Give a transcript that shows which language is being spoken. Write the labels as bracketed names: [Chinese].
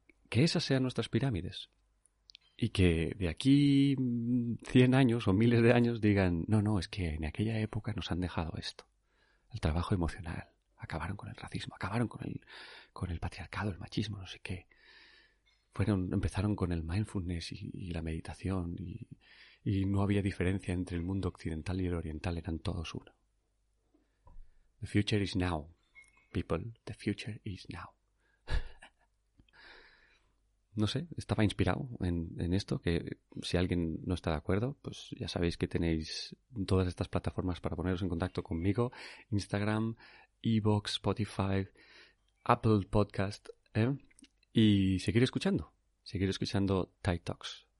[Spanish] Que esas sean nuestras pirámides. Y que de aquí 100 años o miles de años digan, no, no, es que en aquella época nos han dejado esto. El trabajo emocional. Acabaron con el racismo, acabaron con el patriarcado, el machismo, no sé qué. Empezaron con el mindfulness y la meditación y no había diferencia entre el mundo occidental y el oriental, eran todos uno. [English] The future is now, people. The future is now. [Spanish] No sé, estaba inspirado en esto, que si alguien no está de acuerdo, pues ya sabéis que tenéis todas estas plataformas para poneros en contacto conmigo. Instagram, iVoox, Spotify, Apple Podcast, y seguir escuchando TED Talks.